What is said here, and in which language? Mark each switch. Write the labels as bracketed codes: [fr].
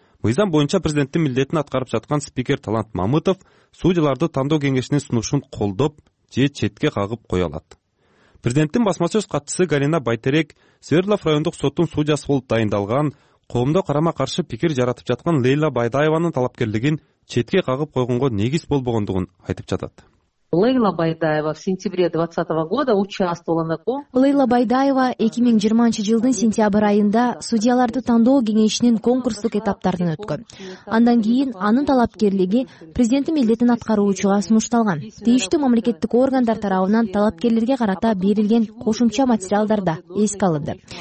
[ky] Мыйзам боюнча президенттин милдетин аткарып жаткан спикер Талант Мамытов судьяларды тандоо кеңешинин сунушун колдоп же четке кагып кое алат. Президенттин басма сөз катчысы Галина Байтерек Свердлов райондук соттун судьясы болуп дайындалган, коомдо карама каршы пикир жаратып жаткан Лейла Байдаеванын талапкерлигин четке кагып койгонго негиз болбогондугун айтып жатат. [ru] Лейла Байдаева в сентябре 2020 года участвовала на конкурсе. [ky] Лейла Байдаева 2020-жылдын сентябрь айында судьяларды тандоо кеңешинин конкурстук этаптарынан өткөн. Андан кийин анын талапкерлиги президенттин милдетин аткаруучуга сунушталган. Тийиштүү мамлекеттик органдар тарабынан талапкерлерге карата берилген кошумча материалдарда эске алынды.